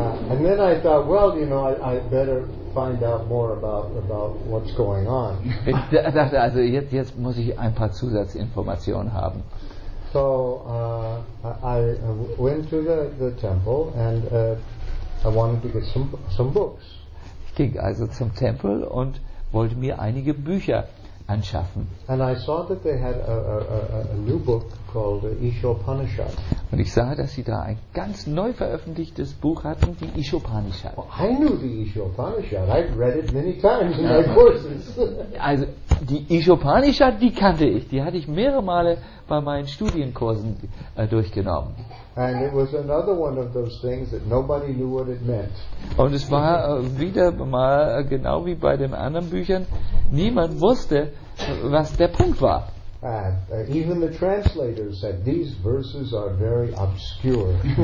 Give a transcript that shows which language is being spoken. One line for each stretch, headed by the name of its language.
English: And then I thought, well, you know, I better find out more about what's going on.
German: Ich dachte also, jetzt muss ich ein paar Zusatzinformationen haben.
English: So I went to the temple and I wanted to get some books.
German: Ich ging also zum Tempel und wollte mir einige Bücher anschaffen.
English: And I saw that they had a new book called Ishopanishad.
German: Und ich sah, dass sie da ein ganz neu veröffentlichtes Buch hatten, die Ishopanishad.
English: Well, I knew the Ishopanishad. I've read it many times in my courses.
German: Also die Ishopanishad, die kannte ich. Die hatte ich mehrere Male bei meinen Studienkursen durchgenommen.
English: And it was another one of those things that nobody knew what it meant.
German: Und es war wieder mal genau wie bei den anderen Büchern, niemand wusste, was der Punkt war.
English: Even the translators said these verses are very obscure.